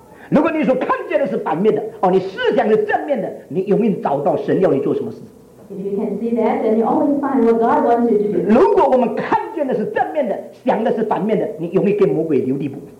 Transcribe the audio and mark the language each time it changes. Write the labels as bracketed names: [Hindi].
[Chinese] 如果你所看见的是反面的，哦，你思想是正面的，你永远找到神要你做什么事。 [English] If you can see that, then you always find what God wants you to do. [Chinese] 如果我们看见的是正面的，想的是反面的，你永远跟魔鬼留地步。